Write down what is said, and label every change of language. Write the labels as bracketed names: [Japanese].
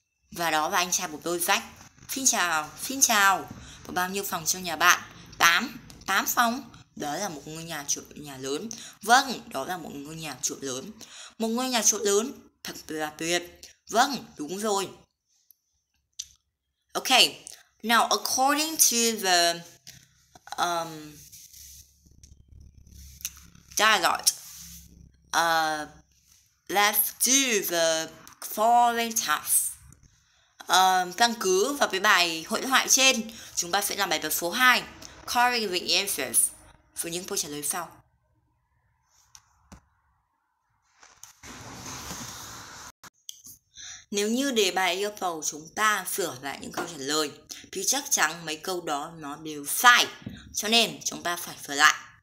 [Vietnamese] Và đó là anh trai của tôi, Jack. Xin chào, xin chào. Có bao nhiêu phòng trong nhà bạn? Tám. Tám phòng. Đó là một ngôi nhà trụ nhà lớn. Vâng, đó là một ngôi nhà trụ lớn. Một ngôi nhà trụ lớn, thật là tuyệt. Vâng, đúng rồi. [English] Ok, now according to the dialogue, let's do the following task. [Vietnamese] Căn cứ vào cái bài hội thoại trên, chúng ta sẽ làm bài tập số 2, [English] Calling the answers. [Vietnamese] Với những câu trả lời sau. Nếu như đề bài yêu cầu chúng ta sửa lại những câu trả lời thì chắc chắn mấy câu đó nó đều sai, cho nên chúng ta phải sửa lại.